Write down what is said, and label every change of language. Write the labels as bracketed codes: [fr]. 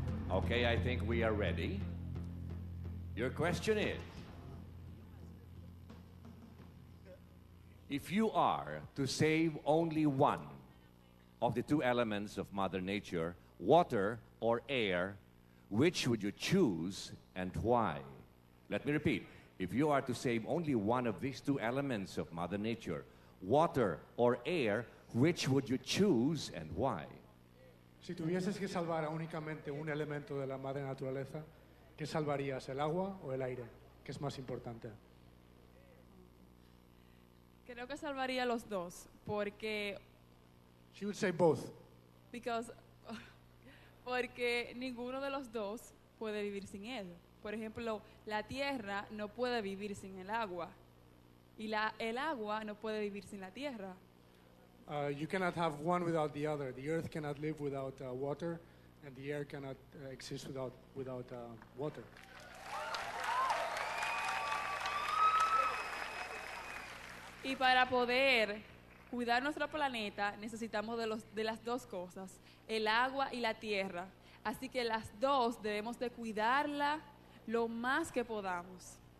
[en] Okay, I think we are ready. Your question is, if you are to save only one of the two elements of Mother Nature, water or air, which would you choose and why? Let me repeat. If you are to save only one of these two elements of Mother Nature, water or air, which would you choose and why? [es] Si tuvieses que salvar únicamente un elemento de la madre naturaleza, ¿qué salvarías, el agua o el aire? ¿Qué es más importante? Creo que salvaría los dos, porque... [en] She would say both. Because... [es] Porque ninguno de los dos puede vivir sin él. Por ejemplo, la tierra no puede vivir sin el agua. Y la, el agua no puede vivir sin la tierra. [en] You cannot have one without the other. The earth cannot live without water, and the air cannot exist without water. [es] Y para poder cuidar nuestro planeta, necesitamos de las dos cosas, el agua y la tierra. Así que las dos debemos de cuidarla lo más que podamos.